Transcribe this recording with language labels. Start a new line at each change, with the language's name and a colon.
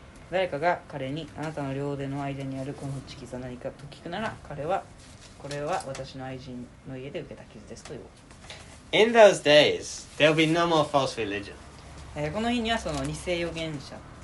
Japanese: 誰かが彼にあなたの両腕の間にあるこの地傷は何かと聞くなら、これは私の愛人の家で受けた傷ですという。
English: In those days, there will be no more false religion.
Japanese: この日にはその偽預言者、偶